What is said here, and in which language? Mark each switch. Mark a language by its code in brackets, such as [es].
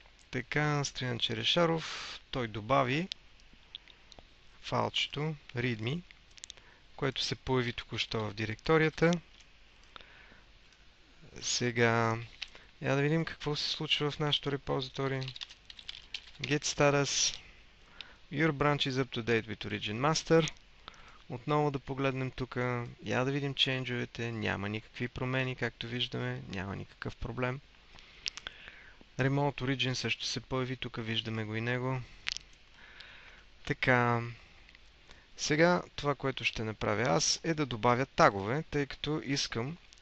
[bg] Така, Стоян Черешаров, той добави файлчето readme, което се появи току-що в директорията. Сега, я да видим какво се случва в нашото репозитори. [en] Git status. Your branch is up to date with Origin Master. [bg] Отново да погледнем тук. Я да видим чейнджовете. Няма никакви промени, както виждаме. Няма никакъв проблем. Remote Origin също се появи. Тук виждаме го и него. Така, сега това, което ще направя аз е да добавя тагове, тъй като искам